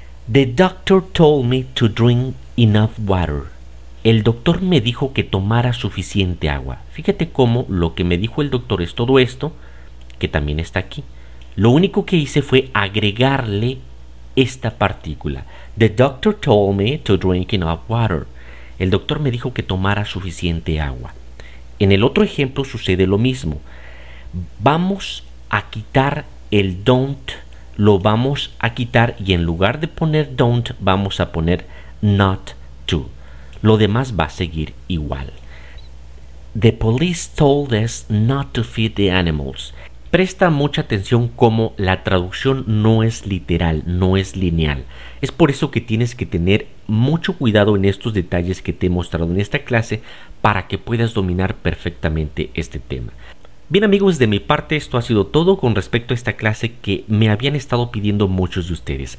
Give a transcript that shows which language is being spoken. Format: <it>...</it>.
<en>The doctor told me to drink enough water.</en> <es>El doctor me dijo que tomara suficiente agua. Fíjate cómo lo que me dijo el doctor es todo esto, que también está aquí. Lo único que hice fue agregarle esta partícula.</es> <en>The doctor told me to drink enough water.</en> <es>El doctor me dijo que tomara suficiente agua. En el otro ejemplo sucede lo mismo. Vamos a quitar el don't, lo vamos a quitar, y en lugar de poner don't, vamos a poner not to. Lo demás va a seguir igual.</es> <en>The police told us not to feed the animals.</en> <es>Presta mucha atención cómo la traducción no es literal, no es lineal. Es por eso que tienes que tener mucho cuidado en estos detalles que te he mostrado en esta clase para que puedas dominar perfectamente este tema. Bien amigos, de mi parte esto ha sido todo con respecto a esta clase que me habían estado pidiendo muchos de ustedes.</es>